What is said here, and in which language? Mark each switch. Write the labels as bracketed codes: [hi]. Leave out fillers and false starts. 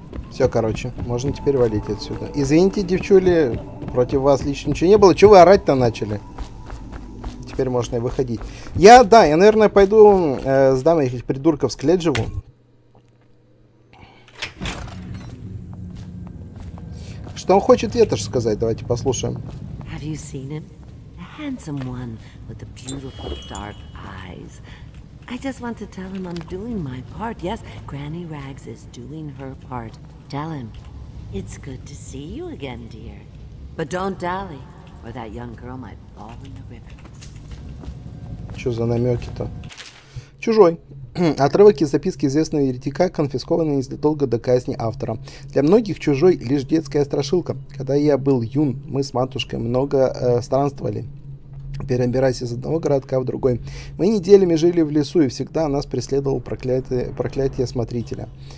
[ru] Все, короче, можно теперь валить отсюда. Извините, девчули, против вас лично ничего не было. Чего вы орать-то начали? Теперь можно и выходить. Я, да, я, наверное, пойду сдам этих придурков с Кледжеву. Что он хочет это же сказать? Давайте послушаем. [en] Have you seen him? The handsome one with the beautiful dark eyes. I just want to tell him I'm doing my part. Yes, Granny Rags is doing her part. Tell him. It's good to see you again, dear. But don't dally, or that young girl might fall in the river. [ru] Что за намеки-то? Чужой. Отрывок из записки известного еретика, конфискованный незадолго до казни автора. Для многих «Чужой» — лишь детская страшилка. Когда я был юн, мы с матушкой много странствовали, перебираясь из одного городка в другой. Мы неделями жили в лесу, и всегда нас преследовал проклятие смотрителя.